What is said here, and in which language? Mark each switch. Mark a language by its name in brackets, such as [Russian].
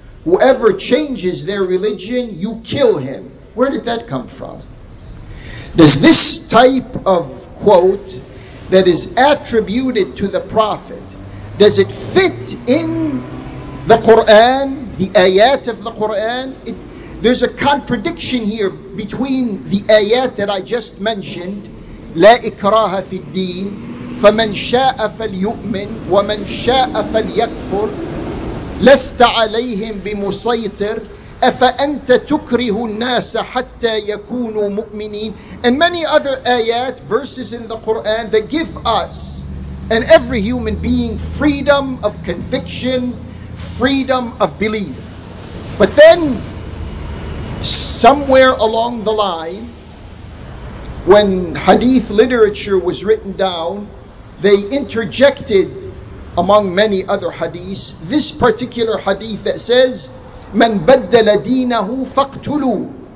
[English] Whoever changes their religion, you kill him. Where did that come from? Does this type of quote that is attributed to the Prophet, does it fit in the Quran, the ayat of the Quran? There's a contradiction here between the ayat that I just mentioned, [Arabic] لَا إِكْرَاهَ فِي الدِّينِ فَمَنْ شَاءَ فَلْيُؤْمِنْ وَمَنْ شَاءَ فَلْيَكْفُرْ لَسْتَ عَلَيْهِمْ بِمُسَيْطِرْ أَفَأَنْتَ تُكْرِهُ النَّاسَ حَتَّى يَكُونُوا مُؤْمِنِينَ. [English] And many other ayat, verses in the Quran, that give us and every human being freedom of conviction, freedom of belief. But then, somewhere along the line, when hadith literature was written down, they interjected, among many other hadiths, this particular hadith that says, [Arabic] مَنْ بَدَّلَ دِينَهُ فَاقْتُلُوا.